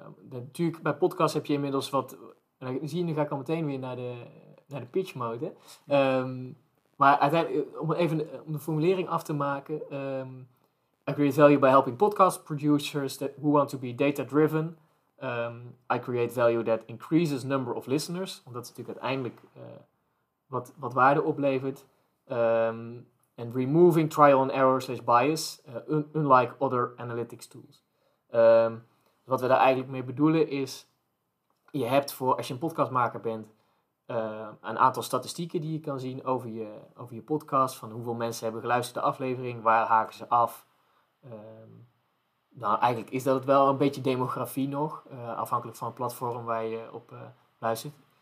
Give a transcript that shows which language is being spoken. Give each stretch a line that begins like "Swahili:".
Dutch: Natuurlijk, bij podcast heb je inmiddels wat... Nu ga ik al meteen weer naar de pitch mode. Maar uiteindelijk, om de formulering af te maken...
English: I create value by helping podcast producers that who want to be data-driven. I create value that increases number of listeners.
Dutch: Want dat is natuurlijk uiteindelijk wat waarde oplevert.
English: And removing trial and error / bias, unlike other analytics tools.
Dutch: Wat we daar eigenlijk mee bedoelen is, je hebt voor, als je een podcastmaker bent, een aantal statistieken die je kan zien over je podcast, van hoeveel mensen hebben geluisterd de aflevering, waar haken ze af. Eigenlijk is dat wel een beetje demografie nog, afhankelijk van het platform waar je op luistert.